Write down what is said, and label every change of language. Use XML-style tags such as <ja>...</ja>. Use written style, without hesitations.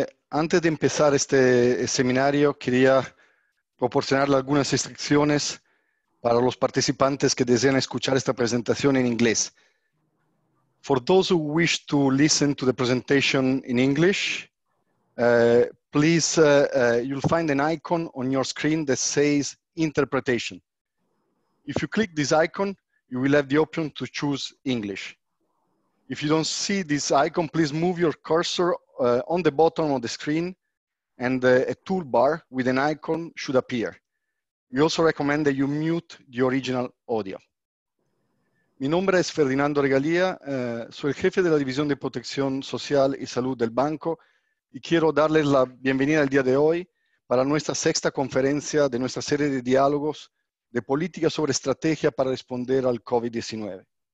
<es>Antes de empezar este seminario, quería proporcionarle algunas instrucciones para los participantes que desean escuchar esta presentación en inglés.</es> <en>For those who wish to listen to the presentation in English, please, you'll find an icon on your screen that says Interpretation. If you click this icon, you will have the option to choose English. If you don't see this icon, please move your cursor on the bottom of the screen and a toolbar with an icon should appear. We also recommend that you mute the original audio.</en> <es>Mi nombre es Ferdinando Regalía, soy el jefe de la División de Protección Social y Salud del Banco y quiero darles la bienvenida el día de hoy para nuestra sexta conferencia de nuestra serie de diálogos de política sobre estrategia para responder al COVID-19.</es>